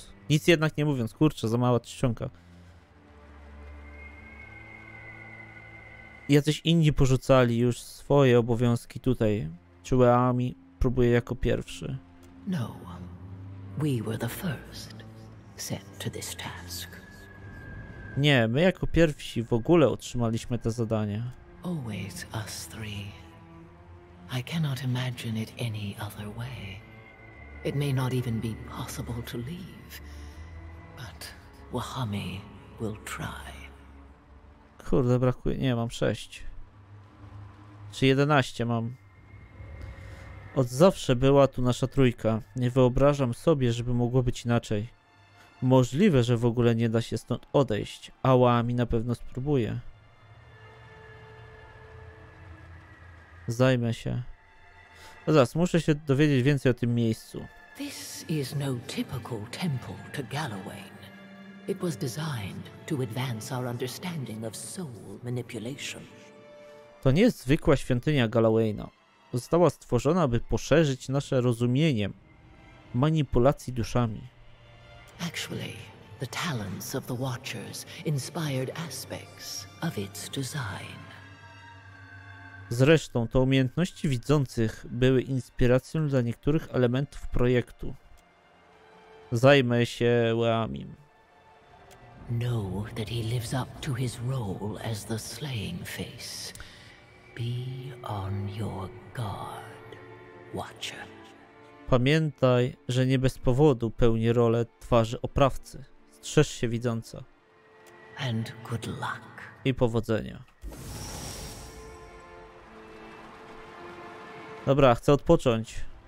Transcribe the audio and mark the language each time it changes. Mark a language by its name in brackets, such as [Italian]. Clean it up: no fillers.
[Polish] Nic jednak nie mówiąc, kurczę, za mała czcionka. Jacyś inni porzucali już swoje obowiązki tutaj. Chuami próbuje jako pierwszy. [English] No, we were the first sent to this task. [Polish] Nie, my jako pierwsi w ogóle otrzymaliśmy te zadania. [English] Always us three. I cannot imagine it any other way. It may not even be possible to leave, but Wahami will try. [Polish] Kurde, brakuje. Nie, mam 6. Czy 11 mam. Od zawsze była tu nasza trójka. Nie wyobrażam sobie, żeby mogło być inaczej. Możliwe, że w ogóle nie da się stąd odejść, a Wahami na pewno spróbuje. Zajmę się. No zaraz, muszę się dowiedzieć więcej o tym miejscu. [English] This is no typical temple to Gawain. It was designed to advance our understanding of soul manipulation. [Polish] To nie jest zwykła świątynia Gawaina. Została stworzona, by poszerzyć nasze rozumienie manipulacji duszami. [English] Actually, the talents of the Watchers inspired aspects of its design. [Polish] Zresztą, to umiejętności widzących były inspiracją dla niektórych elementów projektu. Zajmę się Łamim. [English] Know that he lives up to his role as the slaying face. Be on your guard, Watcher. [Polish] Pamiętaj, że nie bez powodu pełni rolę twarzy oprawcy. Strzeż się widząca. [English] And good luck. [Polish] I powodzenia. Dobra, chcę odpocząć.